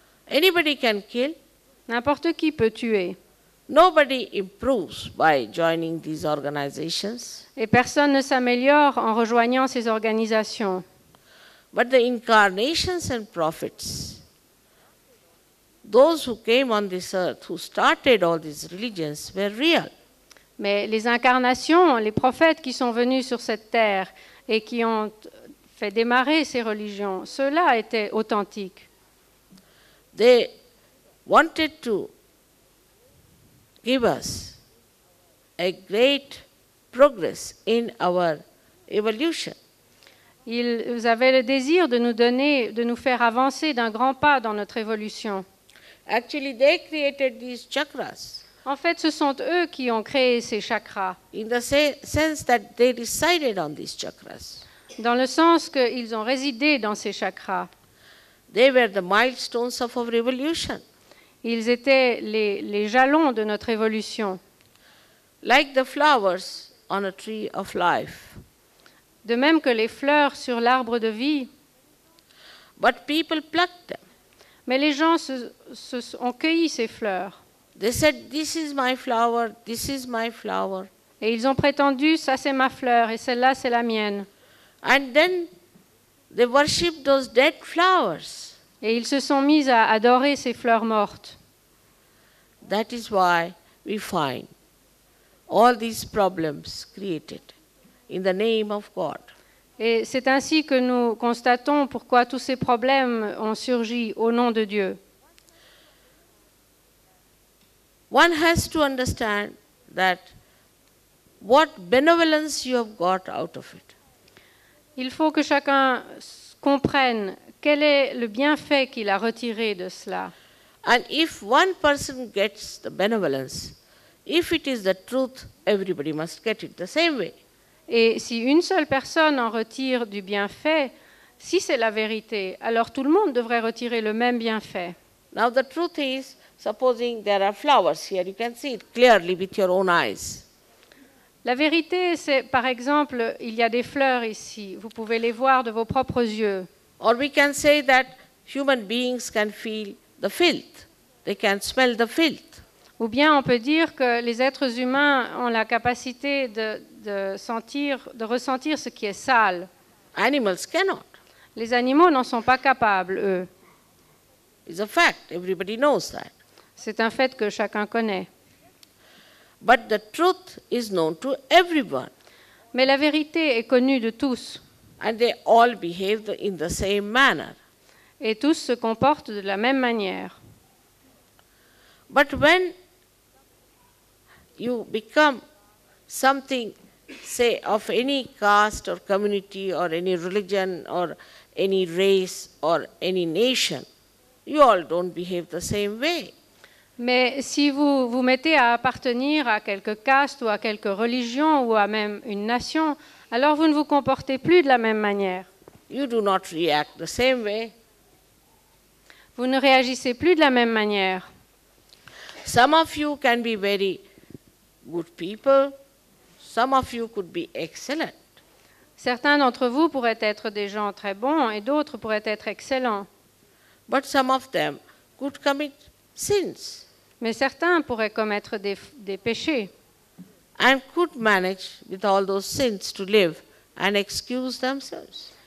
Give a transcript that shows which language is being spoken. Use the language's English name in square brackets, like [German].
[English] Anybody can kill. [French] N'importe qui peut tuer. [English] Nobody improves by joining these organizations. [French] Et personne ne s'améliore en rejoignant ces organisations. [English] But the incarnations and prophets, those who came on this earth, who started all these religions, were real. [French] Mais les incarnations, les prophètes qui sont venus sur cette terre et qui ont fait démarrer ces religions, ceux-là étaient authentiques. [English] They wanted to give us a great progress in our evolution. [French] Ils avaient le désir de nous donner, de nous faire avancer d'un grand pas dans notre évolution. [English] Actually, they created these chakras. [French] En fait, ce sont eux qui ont créé ces chakras. [English] In the sense that they resided on these chakras. [French] Dans le sens qu'ils ont résidé dans ces chakras. [English] They were the milestones of our evolution. [French] Ils étaient les jalons de notre évolution. [English] Like the flowers on a tree of life. [French] De même que les fleurs sur l'arbre de vie. [English] But people plucked them. [French] Mais les gens ont cueilli ces fleurs. [English] They said, this is my flower, this is my flower. [French] Et ils ont prétendu, ça c'est ma fleur et celle-là c'est la mienne. [English] And then they worshiped those dead flowers. [French] Et ils se sont mis à adorer ces fleurs mortes. [English] That is why we find all these problems created in the name of God. [French] Et c'est ainsi que nous constatons pourquoi tous ces problèmes ont surgi au nom de Dieu. [English] One has to understand that what benevolence you have got out of it. [French] Il faut que chacun comprenne quel est le bienfait qu'il a retiré de cela. [English] And if one person gets the benevolence, if it is the truth, everybody must get it the same way. [French] Et si une seule personne en retire du bienfait, si c'est la vérité, alors tout le monde devrait retirer le même bienfait. [English] Now the truth is, supposing there are flowers here, you can see it clearly with your own eyes. [French] La vérité, c'est par exemple, il y a des fleurs ici. Vous pouvez les voir de vos propres yeux. [English] Or we can say that human beings can feel the filth. They can smell the filth. [French] Ou bien on peut dire que les êtres humains ont la capacité de ressentir ce qui est sale. [English] Animals cannot. [French] Les animaux n'en sont pas capables, eux. [English] It's a fact. Everybody knows that. [French] C'est un fait que chacun connaît. [English] But the truth is known to everyone. [French] Mais la vérité est connue de tous. [English] And they all behave in the same manner. [French] Et tous se comportent de la même manière. [English] But when you become something, say, of any caste or community or any religion or any race or any nation, you all don't behave the same way. [French] Mais si vous vous mettez à appartenir à quelque caste ou à quelque religion ou à même une nation, alors vous ne vous comportez plus de la même manière. [English] You do not react the same way. [French] Vous ne réagissez plus de la même manière. [English] Some of you can be very good people. Some of you could be excellent. [French] Certains d'entre vous pourraient être des gens très bons et d'autres pourraient être excellents. [English] But some of them could commit sins. [French] Mais certains pourraient commettre des péchés. [English] And could manage with all those sins to live and excuse themselves.